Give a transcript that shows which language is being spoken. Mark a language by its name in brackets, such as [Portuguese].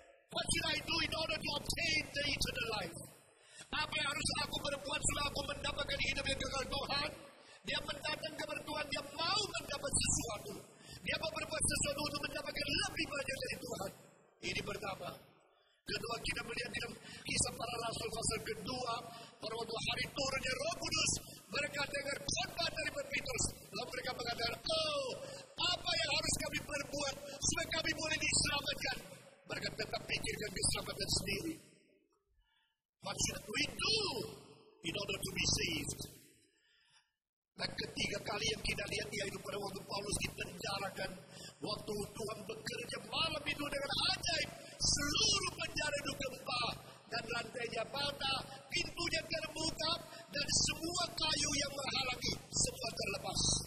[English] What should I do in order to obtain the eternal life? [Indonesian] Apa yang harus aku berbuat supaya aku mendapatkan hidup yang kekal Tuhan? Dia mendatang kepada Tuhan, dia mau mendapat sesuatu. Dia mau berbuat sesuatu untuk mendapatkan lebih banyak dari Tuhan. Ini pertama. Kedua, kita melihat dalam kisah para rasul pasal kedua. Pada waktu hari turunnya Roh Kudus, mereka dengar khotbah dari Petrus. Lalu mereka mengatakan, oh, apa yang harus kami perbuat supaya kami boleh diselamatkan? Mereka tetap pikirkan keselamatan sendiri. [English] What should we do in order to be saved? [Indonesian] Nah, ketiga kali yang kita lihat dia itu pada waktu Paulus dipenjarakan. Waktu Tuhan bekerja malam itu dengan ajaib. Seluruh penjara itu gempa. lantainya patah, pintunya terbuka, dan semua kayu yang menghalangi semua terlepas.